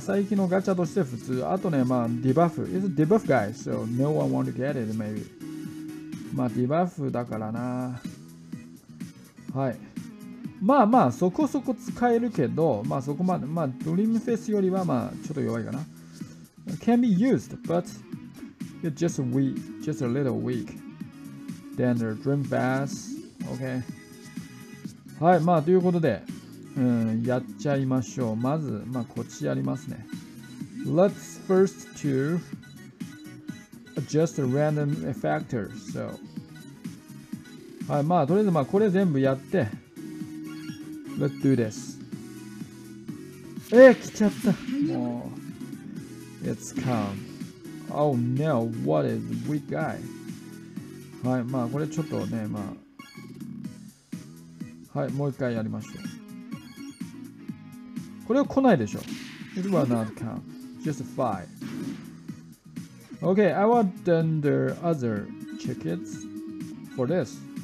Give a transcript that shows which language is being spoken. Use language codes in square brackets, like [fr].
[ja] 最近のガチャとして普通。あとね、まあディバフ。 [en] It's a debuff guy, so no one want to get it, maybe. [ja] まあディバフだからな。はい。まあまあそこそこ使えるけど、まあそこまで、まあドリームフェスよりはまあちょっと弱いかな。 [en] Can be used, but it's just weak, just a little weak. Then the dream fast, okay. [ja] はい、まあということで。やっちゃいましょう。まず、まあ、こっちやりますね。 [en] Let's first to adjust a random effector. So. [ja] はい、まあ、とりあえず、まあ、これ全部やって。 [en] Let's do this. [ja] 来ちゃった。もう。 [en] It's come. Oh no, what is weak guy? [ja] はい、まあこれちょっとね、まあはい、もう一回やりましょう。これは来ないでしょ。 [en] It will not come. Just five. Okay, I want the other tickets for this.